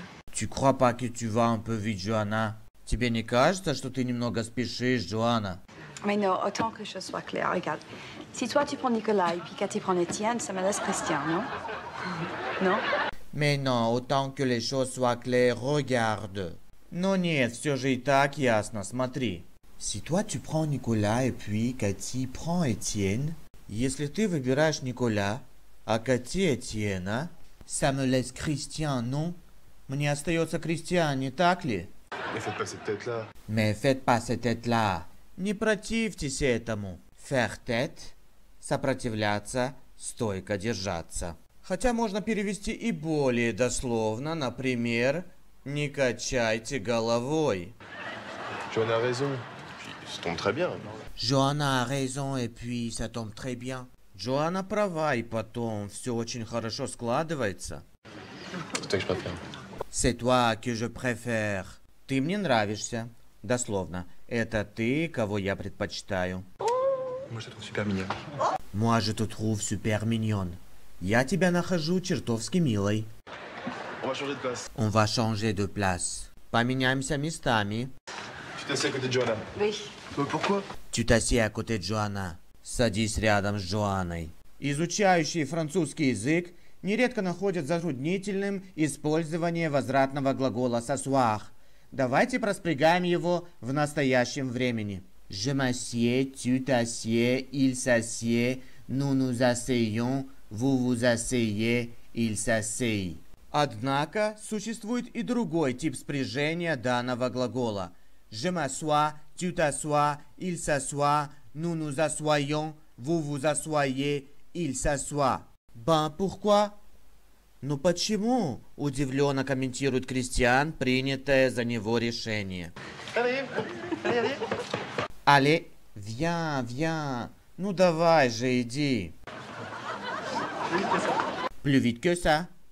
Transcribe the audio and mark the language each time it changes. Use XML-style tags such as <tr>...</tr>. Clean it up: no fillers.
<fr>Tu crois pas que tu vas un peu vite, Johanna?</fr> <ru>Тебе не кажется, что ты немного спешишь, Johanna?</ru> <fr>Mais non, autant que je sois claire. Regarde, si toi tu prends Nicolas et puis Cathy prend Étienne, ça me laisse Christian, non? Non? Mais non, autant que les choses soient claires, regarde.</fr> <ru>Но нет, все же и так ясно, смотри.</ru> <fr>Si toi tu prends Nicolas et puis Cathy prend Étienne,</fr> <ru>если ты выбираешь Никола, а Кати Этьена,</ru> <fr>ça me laisse Christian, non?</fr> <ru>Мне остается Christian, не так ли?</ru> <fr>Mais faites pas cette tête-là. Mais faites pas cette tête-là.</fr> <ru>Не противьтесь этому.</ru> <fr>Faire tête</fr> <ru>– сопротивляться, стойко держаться. Хотя можно перевести и более дословно, например, не качайте головой.</ru> <fr>Johanna a raison. Ça tombe très bien. Johanna a raison et puis ça tombe très bien.</fr> <ru>Johanna права, и потом все очень хорошо складывается.</ru> <fr>C'est toi que je préfère. C'est toi que je préfère.</fr> <ru>Ты мне нравишься. Дословно. Это ты, кого я предпочитаю.</ru> <fr>Moi je te trouve super mignon. Moi je te trouve super mignon.</fr> <ru>Я тебя нахожу чертовски милой.</ru> <fr>On va changer de place. On va changer de place.</fr> <ru>Поменяемся местами.</ru> <fr>Tu t'assieds à côté de Johanna. Oui. Mais pourquoi? Tu t'assieds à côté de Johanna.</fr> <ru>Садись рядом с Джоанной. Изучающие французский язык нередко находят затруднительным использование возвратного глагола «s'asseoir». Давайте проспрягаем его в настоящем времени.</ru> <fr>Je m'assieds, tu t'assieds, il s'assied, nous nous asseyons, vous vous asseyez, il s'asseye.</fr> <ru>Однако существует и другой тип спряжения данного глагола.</ru> <fr>Je m'assois, tu t'assois, il s'assoit, nous nous assoyons, vous vous assoyez, il s'assoit. Ben, pourquoi?</fr> <ru>Ну почему? Удивленно комментирует Кристиан принятое за него решение.</ru> <fr>Allez, viens, viens.</fr> <ru>Ну давай же, иди.</ru> <fr>Plus vite que ça.</fr>